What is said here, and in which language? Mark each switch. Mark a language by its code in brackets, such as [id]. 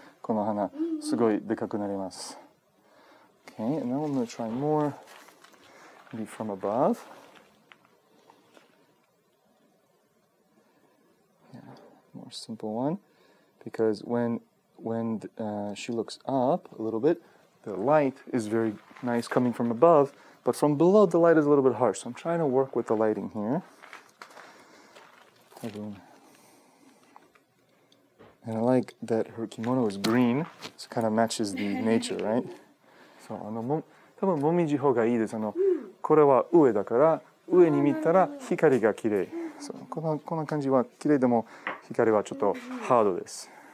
[ja] この花すごいでかくなります。 [en] Okay, and now I'm going to try more, maybe from above. Yeah, more simple one, because when she looks up a little bit, the light is very nice coming from above, but from below the light is a little bit harsh. So I'm trying to work with the lighting here. And I like that her kimono is green, so kind of matches the nature, right? [ja] そう、あの、も、多分もみじ方がいいです。あの、これは上だから、上に見たら光が綺麗。そう、この、こんな感じは綺麗でも、光はちょっとハードです。